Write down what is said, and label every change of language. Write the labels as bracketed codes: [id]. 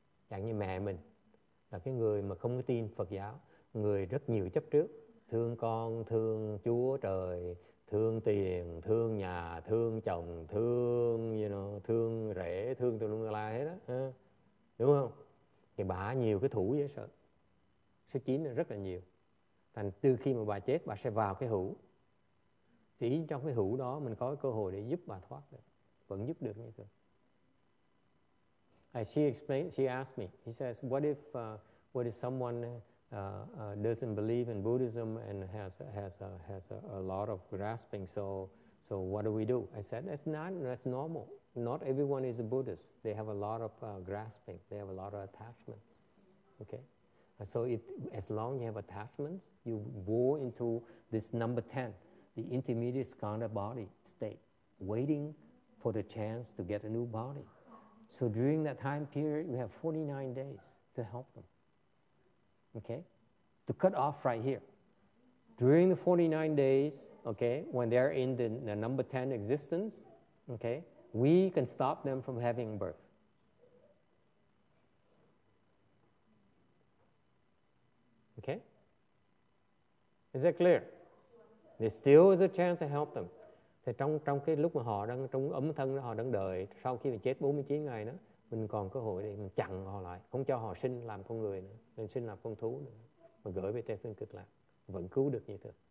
[vi] Chẳng như mẹ mình là cái người mà không có tin Phật giáo, người rất nhiều chấp trước, thương con, thương Chúa Trời, thương tiền, thương nhà, thương chồng, thương, you know, thương rể, thương tùm lum la hết đó. Đúng không? Thì bà nhiều cái thủ dễ sợ. Số 9 là rất là nhiều. Thành từ khi mà bà chết, bà sẽ vào cái hữu. Thì trong cái hữu đó, mình có cái cơ hội để giúp bà thoát được. Vẫn giúp được như thế. [en] She asked me, he says, what if someone... doesn't believe in Buddhism and has a lot of grasping. So what do we do? I said that's normal. Not everyone is a Buddhist. They have a lot of grasping. They have a lot of attachments. Okay. So if as long as you have attachments, you go into this number 10, the intermediate skanda body state, waiting for the chance to get a new body. So during that time period, we have 49 days to help them. Okay, to cut off right here. During the 49 days, okay, when they're in the number 10 existence, okay, we can stop them from having birth. Okay? Is that clear? There still is a chance to help them. [vi] Thì trong cái lúc mà họ đang trong ấm thân, họ đang đợi, sau khi mình chết 49 ngày đó, mình còn cơ hội để mình chặn họ lại, không cho họ sinh làm con người nữa, mình sinh làm con thú nữa, mà gửi về Tây Phương Cực Lạc, vẫn cứu được như thế.